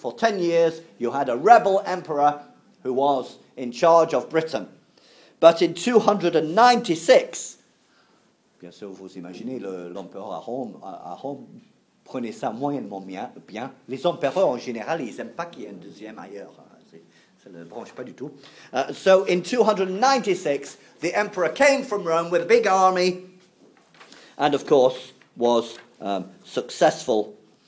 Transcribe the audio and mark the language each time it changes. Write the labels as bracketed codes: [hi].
[en] For 10 years, you had a rebel emperor who was in charge of Britain. But in 296... [fr] Bien sûr, vous imaginez, l'empereur à Rome prenait ça moyennement bien. Les empereurs, en général, ils n'aiment pas qu'il y ait un deuxième ailleurs. Ça ne branche pas du tout. [en] So in 296, the emperor came from Rome with a big army and, of course, was successful.